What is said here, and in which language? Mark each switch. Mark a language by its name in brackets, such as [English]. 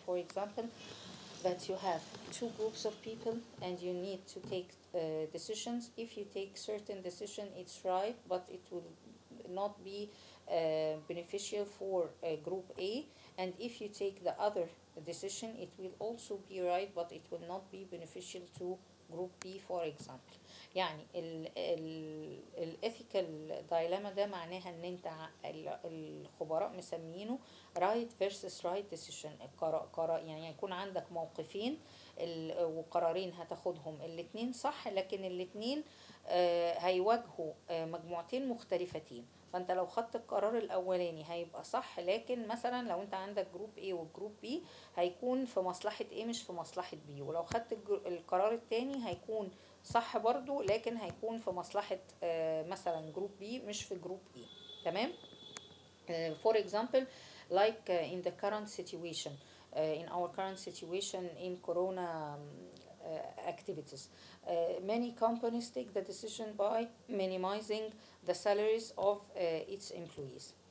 [English] For example, that you have two groups of people and you need to take decisions. If you take certain decision, it's right, but it will not be beneficial for group A. And if you take the other decision, it will also be right, but it will not be beneficial to group B, for example. [Arabic] يعني الـ ethical dilemma ده معناها ان انت الخبراء مسمينه [English] right versus right decision. [Arabic] يعني يكون عندك موقفين وقرارين هتاخدهم الاتنين صح، لكن الاتنين هيواجهوا مجموعتين مختلفتين. فانت لو خدت القرار الاولاني هيبقى صح، لكن مثلا لو انت عندك جروب A وجروب B هيكون في مصلحة A مش في مصلحة B، ولو خدت القرار التاني هيكون صح برضو لكن هيكون في مصلحة مثلا جروب B مش في جروب A. [English] تمام؟ For example, like in the current situation, in our current situation in corona activities, many companies take the decision by minimizing the salaries of its employees.